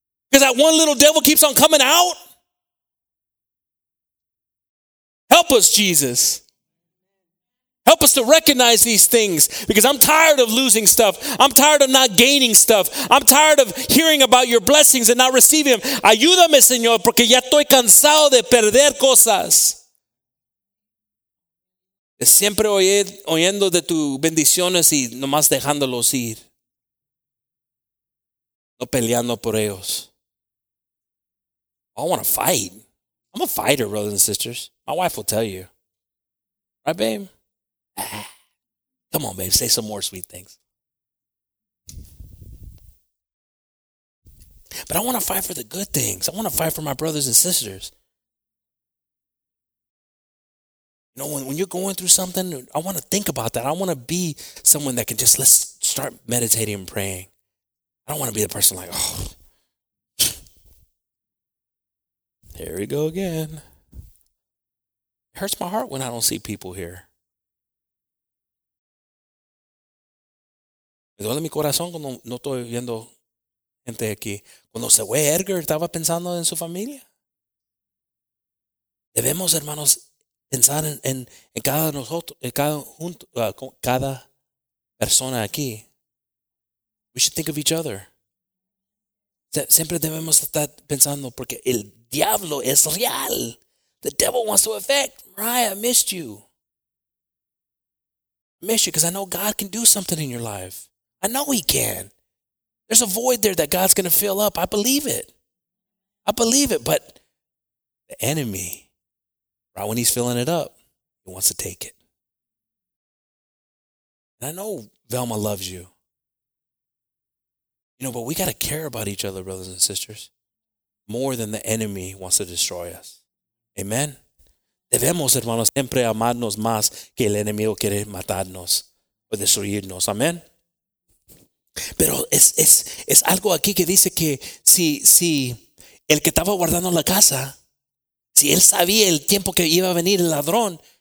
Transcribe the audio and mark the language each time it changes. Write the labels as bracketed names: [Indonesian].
[English] Because that one little devil keeps on coming out? Help us, Jesus. Help us to recognize these things, because I'm tired of losing stuff. I'm tired of not gaining stuff. I'm tired of hearing about your blessings and not receiving them. [Spanish] Ayúdame, Señor, porque ya estoy cansado de perder cosas. Siempre oyendo de tus bendiciones y nomás dejándolos ir. No peleando por ellos. [English] I want to fight. I'm a fighter, brothers and sisters. My wife will tell you. Right, babe? Come on, babe, say some more sweet things. But I want to fight for the good things. I want to fight for my brothers and sisters. You know, when you're going through something, I want to think about that. I want to be someone that can just, let's start meditating and praying. I don't want to be the person like, oh, here we go again. It hurts my heart when I don't see people here. [Spanish] Me duele mi corazón cuando no estoy viendo gente aquí. Cuando se fue Edgar, estaba pensando en su familia. Debemos, hermanos, pensar en cada nosotros, en cada junto, cada persona aquí. [English] We should think of each other. [Spanish] Siempre debemos estar pensando, porque el diablo es real. [English] The devil wants to affect. Mariah, I missed you. I missed you because I know God can do something in your life. I know he can. There's a void there that God's going to fill up. I believe it. I believe it. But the enemy, right when he's filling it up, he wants to take it. And I know Velma loves you. You know, but we got to care about each other, brothers and sisters, more than the enemy wants to destroy us. Amen. [Spanish] Debemos, hermanos, siempre amarnos más que el enemigo quiere matarnos o destruirnos. Amen. Pero es algo aquí que dice que si el que estaba guardando la casa, si él sabía el tiempo que iba a venir el ladrón,